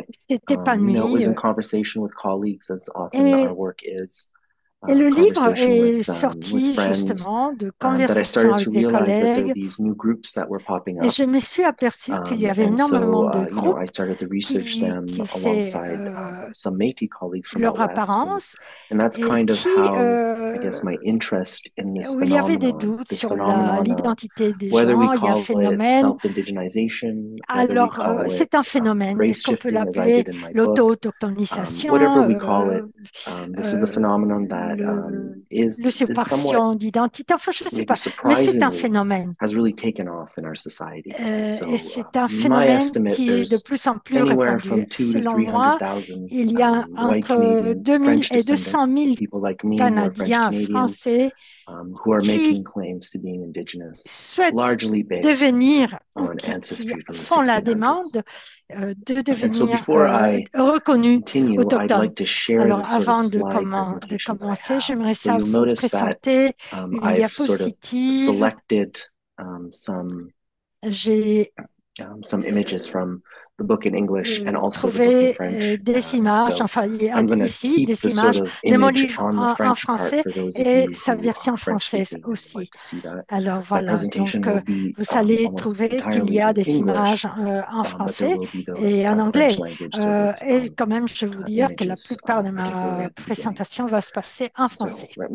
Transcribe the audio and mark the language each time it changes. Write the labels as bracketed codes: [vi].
[fr] c'était [en] you know, it was in conversation with colleagues, as often our work is. [fr] Et le livre est sorti justement de conversations avec des collègues et je me suis aperçu qu'il y avait énormément de groupes qui s'est leur apparence et puis il y avait des doutes sur l'identité des gens, il y a un phénomène. Alors c'est un phénomène, est-ce qu'on peut l'appeler l'auto-autochtonisation, le suppression d'identité, enfin je ne sais pas, mais c'est un phénomène. [en] Has really taken off in our society. [fr] Et c'est un phénomène qui est de plus en plus répandu. Selon moi, il y a entre 2000 et 200 000 Canadiens français [en] Who are making claims to being indigenous, largely based [fr] devenir, [en] on ancestry from the 1600s. [fr] Font la demande de devenir reconnus autochtones. Alors, avant de commencer, j'aimerais savoir présenter une diapositive. [en] Some images from the book in English and also the book in French. [fr] Des images, ici, des images de mon livre en français et sa version française aussi. Alors voilà, donc vous allez trouver qu'il y a des images en français et en anglais. Et quand même, je vais vous dire que la plupart de ma présentation va se passer en français.